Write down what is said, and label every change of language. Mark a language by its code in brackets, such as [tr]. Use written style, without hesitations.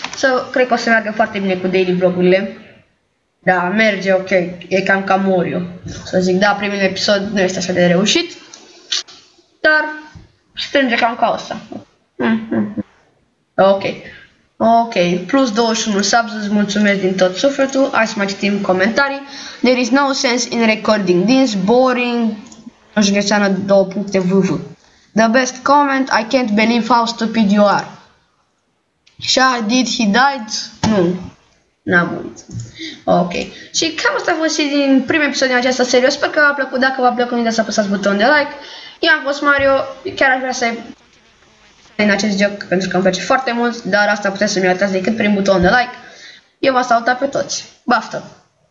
[ro] Să, cred că o să meargă foarte bine cu daily vlogurile. Da, merge, ok. E cam ca Morio. Să zic, da, primul episod nu este așa de reușit. Dar strânge cam ca asta. Ok. Plus 21 subs, îți mulțumesc din tot sufletul. Hai să mai citim comentarii. [en] There is no sense in recording this boring. [ro] Nu știu ce înseamnă două puncte vv. [en] The best comment, I can't believe how stupid you are. [ro] Și [en] did he died? [ro] Nu, n-am murit. Ok, și cam asta a fost și din primul episod din acesta serios. Sper că v-a plăcut, dacă v-a plăcut, nu uitați să apăsați butonul de like. Eu am fost Mario, chiar aș vrea să în acest joc, pentru că îmi place foarte mult, dar asta puteți să-mi arătați decât prin butonul de like. Eu v-am salutat pe toți. Baftă!